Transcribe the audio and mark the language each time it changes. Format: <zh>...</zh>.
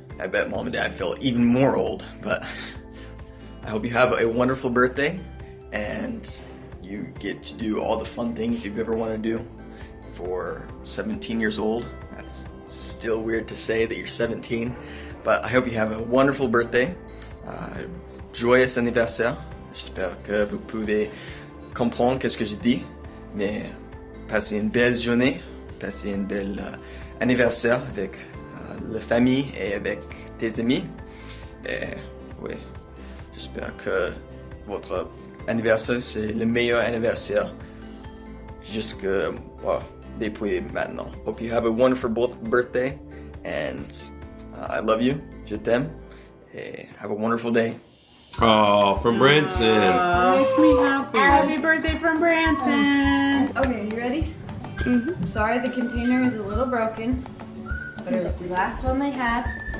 <en>I bet mom and dad feel even more old, but I hope you have a wonderful birthday and you get to do all the fun things you've ever wanted to do for 17 years old. That's still weird to say that you're 17, but I hope you have a wonderful birthday.</en> <fr>Joyeux anniversaire. J'espère que vous pouvez comprendre qu'est-ce que je dis. Mais passez une belle journée. Passez une belle anniversaire avec la famille et avec tes amis. Et oui, j'espère que votre anniversaire c'est le meilleur anniversaire jusque depuis maintenant. Hope you have a wonderful birthday and I love you. Je t'aime. Et</fr> <en>have a wonderful day. Oh, from Branson. Makes me happy. Happy birthday from Branson. Okay, you ready? Mm-hmm. I'm sorry the container is a little broken, but it was the last one they had.</en>